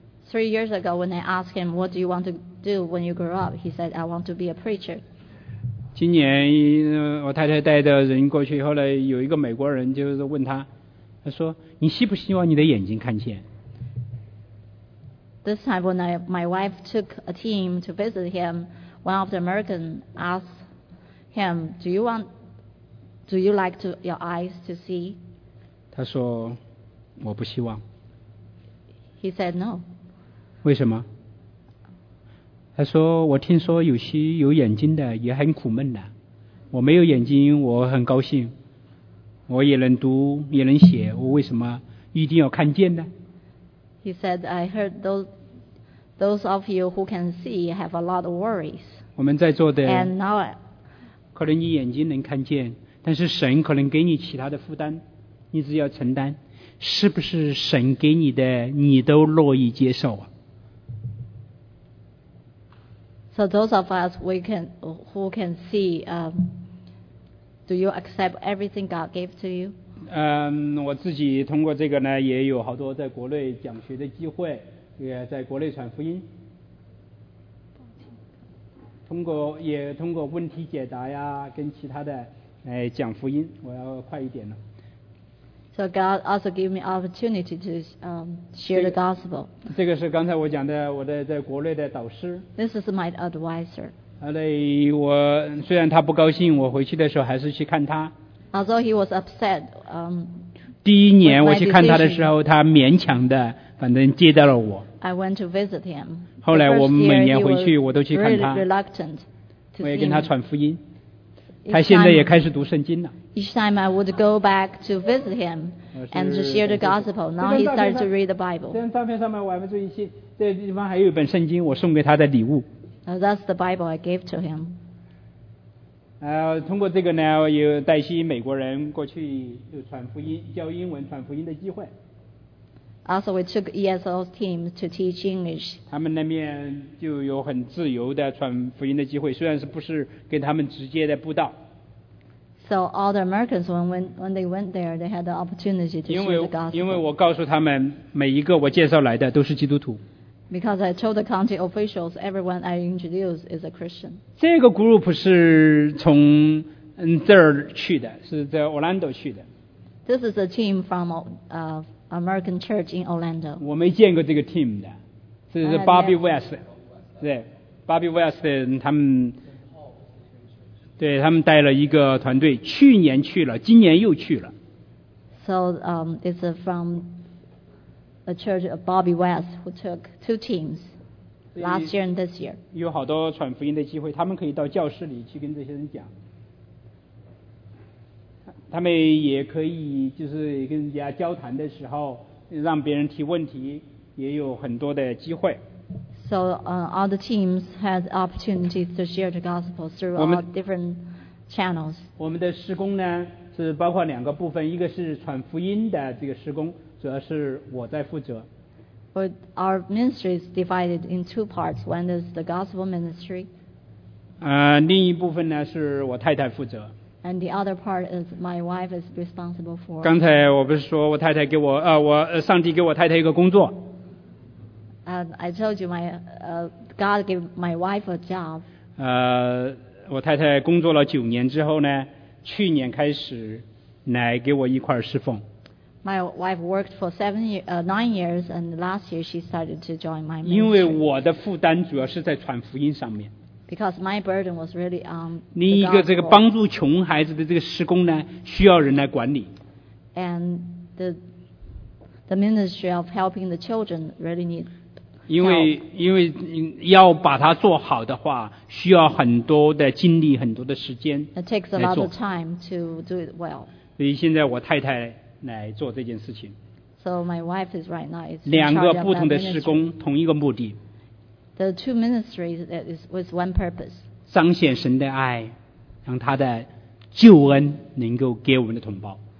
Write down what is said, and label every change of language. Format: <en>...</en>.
<en>3 years ago when I asked him, what do you want to do when you grow up? He said, I want to be a preacher.</en> <zh>今年我太太带的人过去，后来有一个美国人就是问他，他说你希不希望你的眼睛看见。</zh> <en>This time when my wife took a team to visit him, one of the Americans asked him, do you like your eyes to see?</en> <zh>他说我不希望。</zh> <en>He said no.</en> <zh>为什么？他说我听说有些有眼睛的也很苦闷的，我没有眼睛我很高兴，我也能读也能写，我为什么一定要看见呢？</zh> <en>He said, I heard those of you who can see have a lot of worries.</en> <zh>我们在座的</zh> <en>And now,</en> <zh>可能你眼睛能看见，但是神可能给你其他的负担，你只要承担，是不是神给你的你都乐意接受啊？</zh> <en>So those of us who can see, Do you accept everything God gave to you?</en> <zh>我自己通过这个呢，也有好多在国内讲学的机会，也在国内传福音。通过问题解答呀，跟其他的讲福音。我要快一点了。</zh> <en>So God also gave me opportunity to share the gospel.</en> <zh>这个是刚才我讲的，我的在国内的导师。</zh> <en>This is my advisor.</en> <zh>后来我虽然他不高兴，我回去的时候还是去看他。</zh> <en>Although he was upset,</en> <zh>第一年我去看他的时候，他勉强的，反正接待了我。</zh> <en>I went to visit him.</en> <zh>后来我每年回去，我都去看他。</zh> <en>Reluctant.</en> <zh>我也跟他传福音。他现在也开始读圣经了。</zh> <en>Each time I would go back to visit him and to share the gospel. Now he started to read the Bible.</en> <zh>这张照片上面我还没注意细，这地方还有一本圣经，我送给他的礼物。</zh> <en>That's the Bible I gave to him.</en> <zh>通过这个呢，有带些美国人过去就传福音、教英文、传福音的机会。</zh> <en>Also, we took ESL's team to teach English.</en> <zh>他们那边就有很自由的传福音的机会，虽然是不是跟他们直接的布道。</zh> <en>So all the Americans when they went there, they had the opportunity to share the gospel.</en> <zh>因为我告诉他们，每一个我介绍来的都是基督徒。</zh> <en>Because I told the county officials, everyone I introduce is a Christian.</en> <zh>这个 group 是从这儿去的，是在 Orlando 去的。</zh> <en>This is a team from American church in Orlando.</en> <zh>我没见过这个 team 的，这是 Bobby West， 对 ，Bobby West 他们，对他们带了一个团队，去年去了，今年又去了。</zh> <en>So it's from. A church of Bobby West who took two teams last year and this year.</en> <zh>有好多传福音的机会，他们可以到教室里去跟这些人讲。他们也可以就是跟人家交谈的时候，让别人提问题，也有很多的机会。</zh> <en>So all the teams had opportunities to share the gospel through all different channels.</en> <zh>我们的施工呢是包括两个部分，一个是传福音的这个施工。主要是我在负责。</zh> <en>But our ministry is divided in two parts. One is the gospel ministry.</en> <zh>另一部分呢是我太太负责。</zh> <en>And the other part is my wife is responsible for.</en> <zh>刚才我不是说我太太给我我上帝给我太太一个工作。</zh> <en>I told you God gave my wife a job.</en> <zh>我太太工作了九年之后呢，去年开始来给我一块侍奉。</zh> <en>My wife worked for nine years, and last year she started to join my ministry.</en> <zh>因为我的负担主要是在传福音上面。</zh> <en>Because my burden was really on.</en> <zh>另一个这个帮助穷孩子的这个施工呢，需要人来管理。</zh> <en>And the ministry of helping the children really needs</en> <zh>因为要把它做好的话，需要很多的精力，很多的时间来做。</zh> <en>It takes a lot of time to do it well.</en> <zh>所以现在我太太来做这件事情。</zh> <en>So my wife is right now. It's</en> <zh>两个不同的事工，同一个目的。</zh> <en>The two ministries that is with one purpose.</en> <zh>彰显神的爱，让他的救恩能够给我们的同胞。</zh>